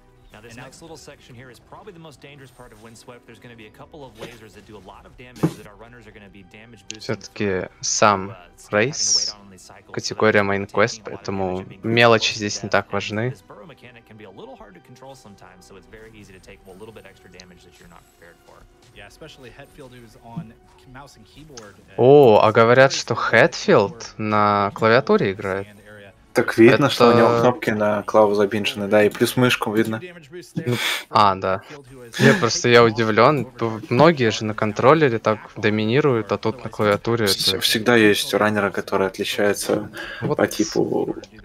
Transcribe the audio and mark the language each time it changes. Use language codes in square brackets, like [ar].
[en] Now this next little section here is probably the most dangerous part of Windswept. There's going to be a couple of lasers that do a lot of damage that our runners are going to be damage boosting. [ru] Сам рейс, категория main quest, поэтому мелочи здесь не так важны. [en] This burrow mechanic can be a little hard to control sometimes, so it's very easy to take a little bit extra damage that you're not prepared for. Yeah, especially Hetfield who's on mouse and keyboard. [ru] О, а говорят, что Hetfield на клавиатуре играет. Так видно, это... что у него кнопки на клаву забинчены, да, и плюс мышку видно. А, да. Нет, просто я удивлен. Многие же на контроллере так доминируют, а тут на клавиатуре... Всегда есть раннеры, которые отличаются по типу...